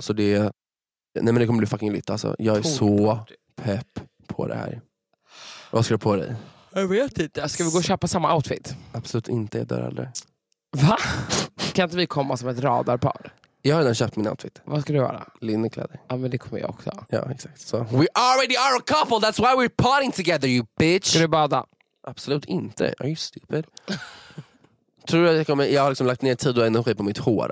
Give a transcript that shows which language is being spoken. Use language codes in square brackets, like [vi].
[sv] Så det, nej, men det kommer bli fucking lite. Alltså. Jag är så pepp på det här. Vad ska du på dig? Jag vet inte. Ska vi gå och köpa samma outfit? Absolut inte, jag dör aldrig. Va? Kan inte vi komma som ett radarpar? Jag har redan köpt min outfit. Vad ska du göra? Linnekläder. Ja, men det kommer jag också. Ja, exakt. [en] So. We already are a couple. That's why we're partying together, you bitch. [sv] Ska du bada? Absolut inte. Jag är ju stupid. Tror du att jag har liksom lagt ner tid och energi på mitt hår?